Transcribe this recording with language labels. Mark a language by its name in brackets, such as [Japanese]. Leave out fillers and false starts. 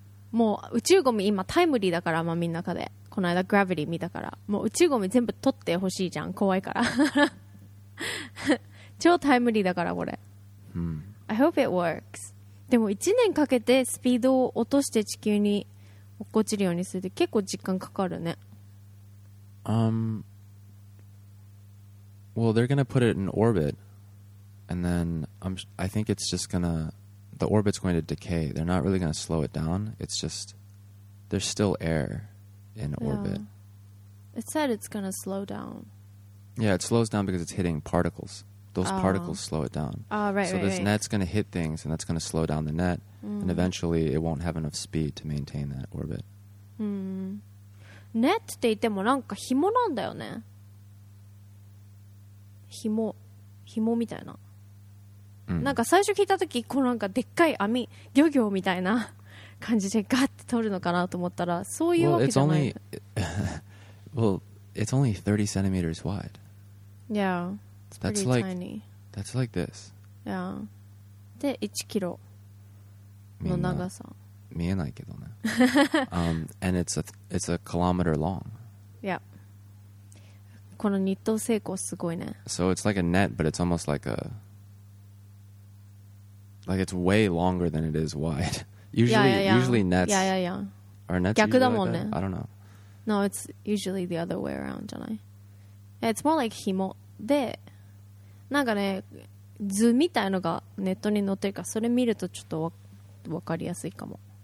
[Japanese] もう宇宙ゴミ今タイムリーだから、まあ、みんなかでこの間グラビティ見たから、もう宇宙ゴミ全部取ってほしいじゃん、怖いから。超タイムリーだからこれ。 [English] I hope it works. [Japanese] でも1年かけてスピードを落として地球に落っこちるようにするって結構時間かかるね。 [English] Well, they're gonna put it in orbit, and then I think it's just gonna the orbit's going to decay. They're not really gonna slow it down. It's just there's still air in orbit. It said it's gonna slow down. Yeah, it slows down because it's hitting particles. Those particles slow it down. So this net's going to hit things, and that's going to slow down the net, and eventually it won't have enough speed to maintain that orbit. Mm. [Japanese] ネットって言ってもなんか紐なんだよね。紐みたいな、なんか最初聞いた時こうなんかでっかい網漁業みたいな感じでガッて取るのかなと思ったらそういうわけじゃない。 [English] Well, it's only 30 centimeters wide. Yeah, it's pretty tiny. That's like this. Yeah. [Japanese] で1キロの長さ見えないけどね。 [English] And it's a kilometer long. Yeah. [Japanese] このニット成功すごいね。 [English] So it's like a net, but it's almost like aLike, it's way longer than it is wide. Usually nets... Yeah, yeah, yeah. Are nets usually like that? Yeah. I don't know. No, it's usually the other way around, [Japanese] じゃない? [English] It's more like 紐. [Japanese] で、なんかね、図みたいのがネットに載ってるから、それ見るとちょっとわかりやすいかも。